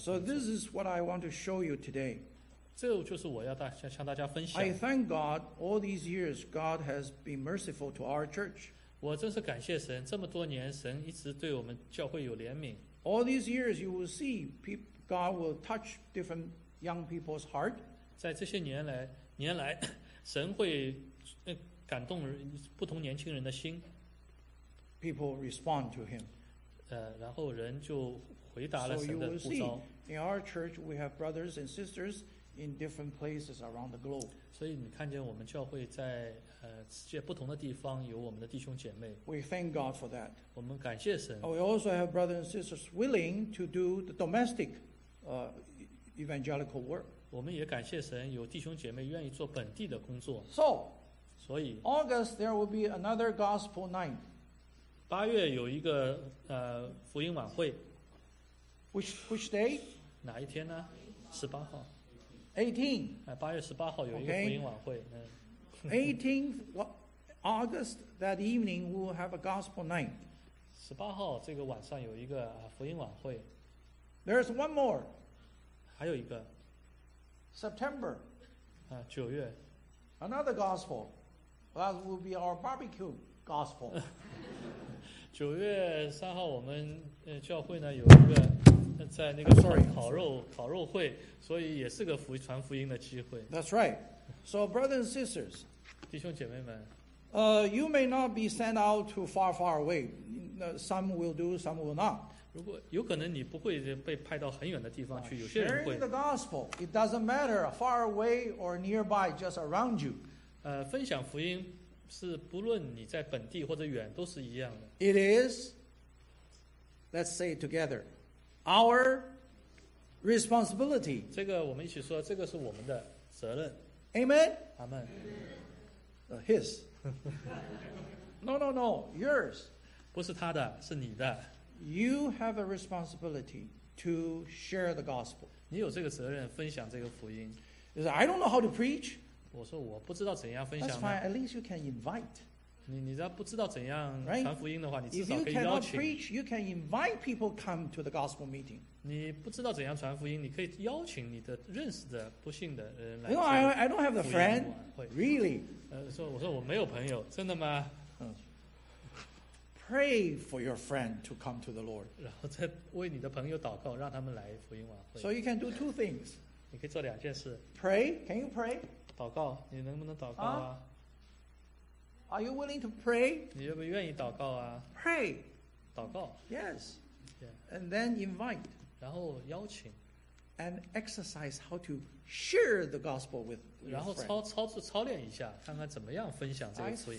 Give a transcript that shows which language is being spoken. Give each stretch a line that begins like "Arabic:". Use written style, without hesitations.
Chinese: 工作。
English: So this is what I want to show you today.
Chinese: 这就是我要向大家分享。
English: I thank God all these years God has been merciful to our church.
Chinese: 我真是感谢神，这么多年神一直对我们教会有怜悯。
English: All these years you will see God will touch different young people's heart.
Chinese: 在这些年来神会感动不同年轻人的心。
English: People respond to him.
Chinese: 然后人就回答了神的呼召。
English: So you will see, in our church, we have brothers and sisters in different places around the globe.
Chinese: 所以你看见我们教会在世界不同的地方有我们的弟兄姐妹。
English: We thank God for that.
Chinese: 我们感谢神。
English: We also have brothers and sisters willing to do the domestic evangelical work.
Chinese: 我们也感谢神有弟兄姐妹愿意做本地的工作。所以
English: August, there will be another gospel night.
Chinese: 八月有一个福音晚会。
English: Which day?
Chinese: 哪一天呢？十八号。
English: 18.
Chinese: 八月十八号有一个福音晚会。
English: 18 August, that evening, we will have a gospel night.
Chinese: 十八号这个晚上有一个福音晚会。
English: There's one more.
Chinese: 还有一个。
English: September.
Chinese: 九月。
English: Another gospel. That will be our barbecue gospel.
Chinese: 九月三号，我们教会呢有一个在那个烤肉会，所以也是个传福音的机会。
English: That's right. So, brothers and sisters,
Chinese: 弟兄姐妹们
English: you may not be sent out to far, far away. Some will do, some will not.
Chinese: 如果有可能，你不会被派到很远的地方去。有些人会。
English: Sharing the gospel, it doesn't matter far away or nearby, just around you.
Chinese: 分享福音是不论你在本地或者远都是一样的。
English: It is, let's say it together, our responsibility.
Chinese: 这个我们一起说，这个是我们的责任。
English: Amen. Amen. His. No, no, no. Yours.
Chinese: 不是他的，是你的。
English: You have a responsibility to share the gospel.
Chinese: 你有这个责任分享这个福音。
English: I don't know how to preach.
Chinese: 我说我不知道怎样分享。
English: That's fine. At least you can invite.
Chinese: 你要不知道怎样传福音的话，
English: right?
Chinese: 你至少可以邀请。
English: If you cannot preach, you can invite people come to the gospel meeting.
Chinese: 你不知道怎样传福音，你可以邀请你的认识的不信的人来。
English: No, I don't have a friend. Really?
Chinese: 我说我没有朋友，真的吗？
English: Pray for your friend to come to the Lord.
Chinese: 然后再为你的朋友祷告，让他们来福音晚会。
English: So you can do two things.
Chinese: 你可以做两件事。
English: Pray. Can you pray?
Chinese: 祷告，你能不能祷告啊？
English: Are you willing to pray?
Chinese: 你愿不愿意祷告啊？
English: Pray.
Chinese: 祷告。
English: Yes. Yeah. And then invite.
Chinese: 然后邀请。
English: And exercise how to share the gospel with your friend.
Chinese: 然后操练一下，看看怎么样分享这个福音。